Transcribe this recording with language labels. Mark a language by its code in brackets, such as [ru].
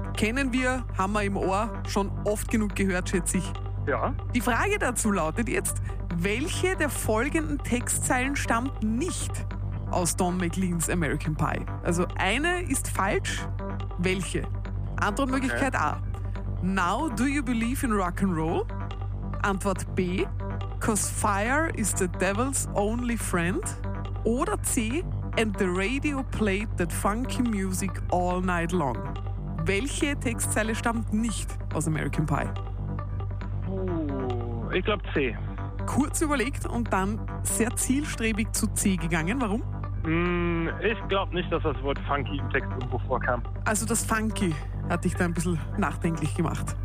[de] Kennen wir, haben wir im Ohr, schon oft genug gehört, schätze ich. Ja. Die Frage dazu lautet jetzt, welche der folgenden Textzeilen stammt nicht aus Don McLeans American Pie? Also eine ist falsch, welche? Antwortmöglichkeit okay. A. [en] Now do you believe in rock and roll? [de] Antwort B. [en] 'Cause fire is the devil's only friend. [de] Oder C. [en] And the radio played that funky music all night long. [de] Welche Textzeile stammt nicht aus American Pie? Oh, ich glaube C. Kurz überlegt und dann sehr zielstrebig zu C gegangen. Warum? Ich glaube nicht, dass das Wort funky im Text irgendwo vorkam. Also das funky hat dich da ein bisschen nachdenklich gemacht.